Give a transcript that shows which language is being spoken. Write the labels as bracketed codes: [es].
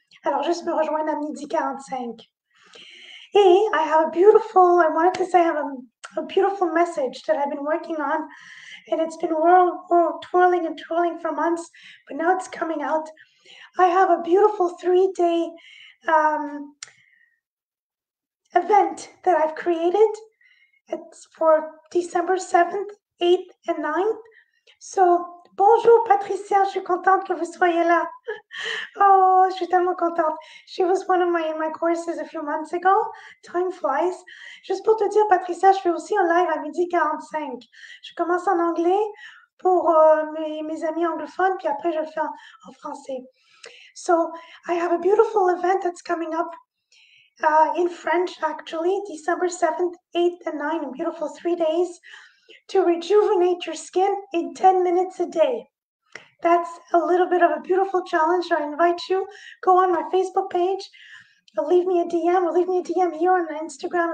[fr] Alors juste me rejoindre à 12:45. [en] Et I have a beautiful, I wanted to say I have a beautiful message that I've been working on, and it's been twirling and twirling for months, but now it's coming out. I have a beautiful 3-day event that I've created. It's for December 7th, 8th, and 9th. So, [fr] bonjour Patricia, je suis contente que vous soyez là. Oh, je suis tellement contente. [en] She was one of my courses a few months ago. Time flies. [fr] Juste pour te dire, Patricia, je fais aussi un live à 12:45. Je commence en anglais pour mes amis anglophones, puis après je le fais en français. [en] So I have a beautiful event that's coming up in French, actually, December 7th, 8th, and 9th, a beautiful 3 days to rejuvenate your skin in 10 minutes a day. That's a little bit of a beautiful challenge. I invite you, go on my Facebook page, leave me a DM, or leave me a DM here on my Instagram.